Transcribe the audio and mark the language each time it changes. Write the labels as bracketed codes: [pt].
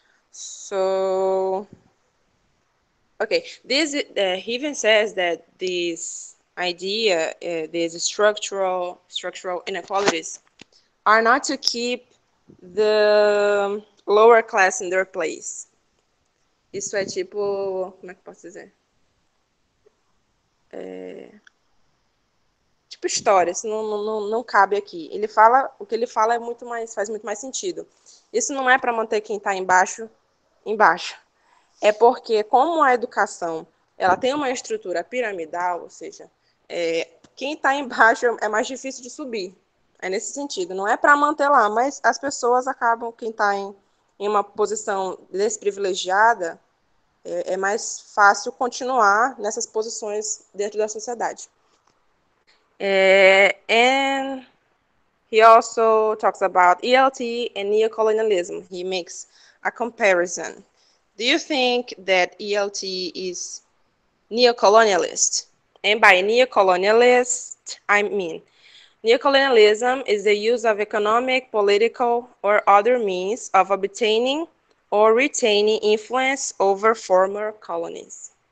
[en] So, okay, this he even says that this idea, these structural inequalities are not to keep the lower class in their place. [pt] Isso é tipo, como é que posso dizer? Tipo história, isso não cabe aqui. Ele fala, o que ele fala é muito mais, faz muito mais sentido. Isso não é para manter quem está embaixo. É porque, como a educação, ela tem uma estrutura piramidal, ou seja, quem está embaixo é mais difícil de subir. É nesse sentido, não é para manter lá, mas as pessoas acabam, quem está em uma posição desprivilegiada, é mais fácil continuar nessas posições dentro da sociedade. [en] And he also talks about ELT and neocolonialism. He makes a comparison. Do you think that ELT is neocolonialist? And by neocolonialist, I mean... Neocolonialism is the use of economic, political, or other means of obtaining or retaining influence over former colonies.